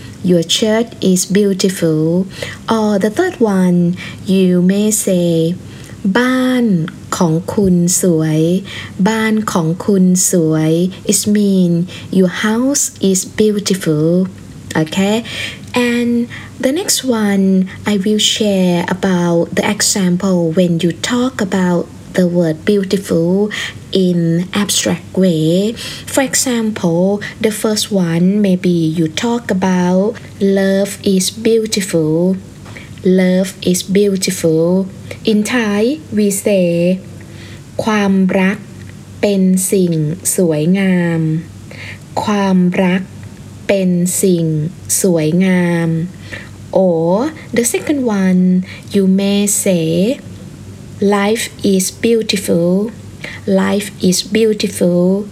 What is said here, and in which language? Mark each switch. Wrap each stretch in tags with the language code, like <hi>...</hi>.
<en>Your shirt is beautiful. Or the third one, you may say,</en> <th>บ้านของคุณสวย บ้านของคุณสวย</th> <en>It means your house is beautiful. Okay. And the next one, I will share about the example when you talk about the word beautiful in abstract way. For example, the first one, maybe you talk about love is beautiful. Love is beautiful. In Thai, we say,</en> <th>ความรักเป็นสิ่งสวยงาม ความรัก เป็นสิ่งสวยงาม</th> <en>or the second one you may say life is beautiful life is beautiful</en>